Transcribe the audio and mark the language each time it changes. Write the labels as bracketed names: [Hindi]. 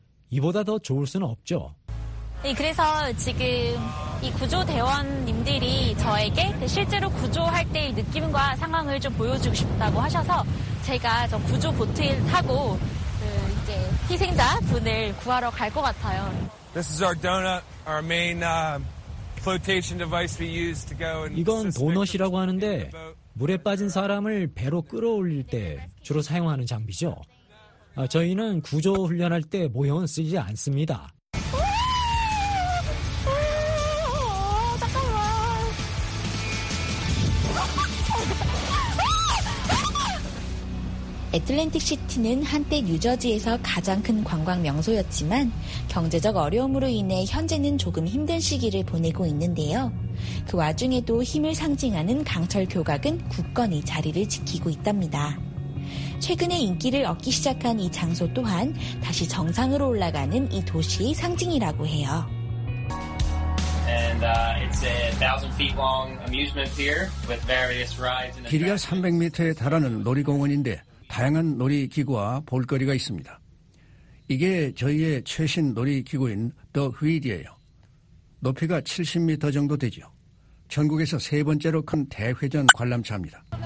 [Korean] 이보다 더 좋을 수는 없죠. 네, 그래서 지금 이 구조대원님들이 저에게 실제로 구조할 때의 느낌과 상황을 좀 보여주고 싶다고 하셔서 제가 저 구조보트를 타고 이제 희생자 분을 구하러 갈 것 같아요. [English] This is our donut, our main flotation device we use to go and. [Korean] 이건 도넛이라고 하는데 물에 빠진 사람을 배로 끌어올릴 때 주로 사용하는 장비죠. 저희는 구조 훈련할 때 모형은 쓰지 않습니다. 애틀랜틱 시티는 한때 뉴저지에서 가장 큰 관광 명소였지만 경제적 어려움으로 인해 현재는 조금 힘든 시기를 보내고 있는데요. 그 와중에도 힘을 상징하는 강철 교각은 굳건히 자리를 지키고 있답니다. 최근에 인기를 얻기 시작한 이 장소 또한 다시 정상으로 올라가는 이 도시의 상징이라고 해요. [English] And it's a 1,000 feet long amusement pier with various rides. [Korean] 길이가 300m에 달하는 놀이공원인데 다양한 놀이기구와 볼거리가 있습니다. 이게 저희의 최신 놀이기구인 더 휠이에요. 높이가 70m 정도 되죠. 전국에서 세 번째로 큰 대회전 관람차입니다.